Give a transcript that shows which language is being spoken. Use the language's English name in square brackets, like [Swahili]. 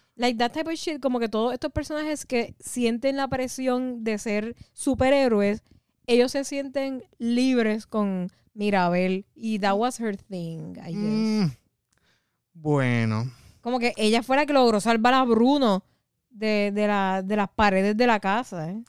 [English] Like that type of shit, [Spanish] como que todos estos personajes que sienten la presión de ser superhéroes, ellos se sienten libres con Mirabel. [English] Y that was her thing, I guess. [Spanish] Bueno. Como que ella fue la que logró salvar a Bruno de las paredes de la casa.